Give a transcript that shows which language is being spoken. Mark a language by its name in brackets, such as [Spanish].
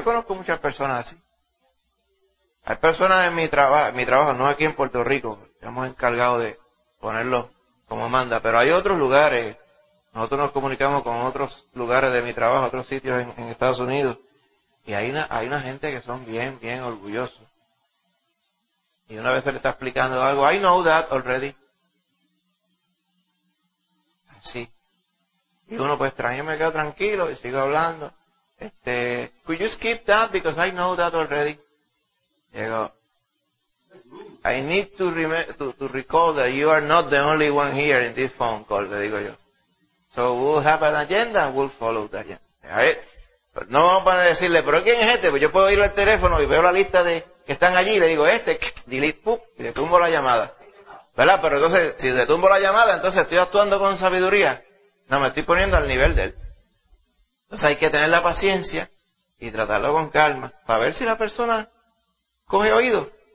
[Spanish] Yo conozco muchas personas así. Hay personas en mi trabajo, no aquí en Puerto Rico, estamos encargados de ponerlo como manda, pero hay otros lugares, nosotros nos comunicamos con otros lugares de mi trabajo, otros sitios en Estados Unidos, y hay una gente que son bien, bien orgullosos. Y una vez se le está explicando algo, [English] I know that already. [Spanish] Así. Y uno, pues tráeme acá tranquilo y sigo hablando. [English] Could you skip that because I know that already? Llego. I need to recall that you are not the only one here in this phone call, [Spanish] le digo yo. [English] So we'll have an agenda, we'll follow the agenda. [Spanish] Pero no vamos a decirle, pero ¿quién es este? Pues yo puedo ir al teléfono y veo la lista de que están allí, y le digo, este, delete, pum, y le tumbo la llamada. ¿Verdad? Pero entonces, si le tumbo la llamada, entonces estoy actuando con sabiduría. No, me estoy poniendo al nivel de él. Entonces hay que tener la paciencia y tratarlo con calma para ver si la persona coge oído.